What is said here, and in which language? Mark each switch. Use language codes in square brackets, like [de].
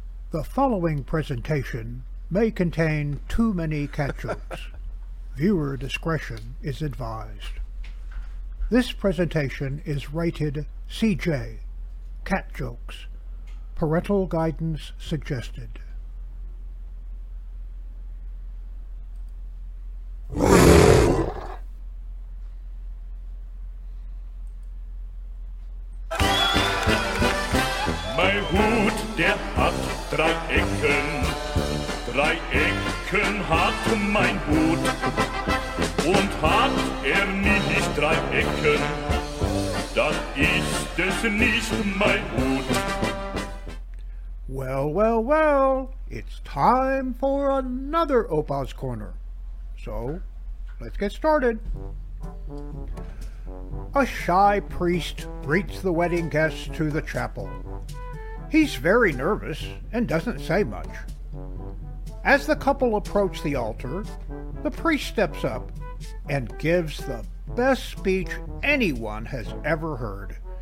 [en] The following presentation may contain too many catch-ups. Viewer discretion is advised. This presentation is rated CJ, cat jokes, parental guidance suggested. [de] Mein Hut, der hat drei Ecken. Drei Ecken hat mein Hut. Und hat nicht drei Ecken, dann ist es nicht mein Hut. [en] Well, well, well, it's time for another OPA’S Corner. So, let's get started. A shy priest greets the wedding guests to the chapel. He's very nervous and doesn't say much. As the couple approach the altar, the priest steps up and gives the best speech anyone has ever heard.